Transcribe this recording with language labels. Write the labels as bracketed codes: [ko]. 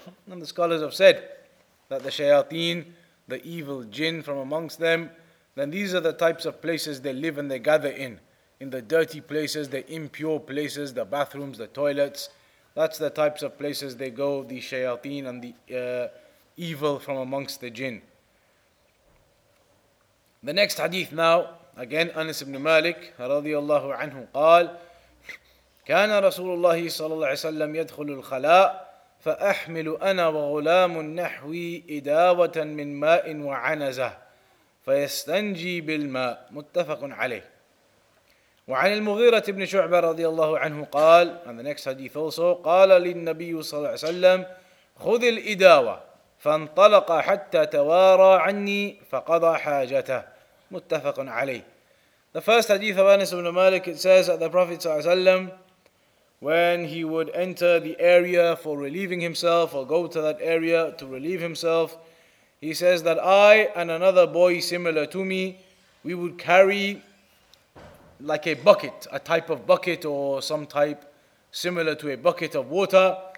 [en] And the scholars have said that the shayateen, the evil jinn from amongst them, then these are the types of places they live and they gather in. In the dirty places, the impure places, the bathrooms, the toilets. That's the types of places they go, the shayateen and the evil from amongst the jinn. The next hadith now, again, [ar] Anas ibn Malik, radiallahu anhu, قال, كان رسول الله صلى الله عليه وسلم يدخل الخلاء فأحمل أنا وغلام نحوي إداوة من ماء وعنزة فيستنجي بالماء متفق عليه. وعن المغيرة بن شعبة رضي الله عنه قال, [en] and the next hadith also, [ar] قال للنبي صلى الله عليه وسلم خذ الإداوة فانطلق حتى توارى عني فقضى حاجته متفق عليه. [en] The first hadith of Anas ibn Malik, it says that the Prophet صلى الله عليه وسلم, when he would enter the area for relieving himself or go to that area to relieve himself, he says that I and another boy similar to me, we would carry like a bucket, a type of bucket or some type similar to a bucket of water.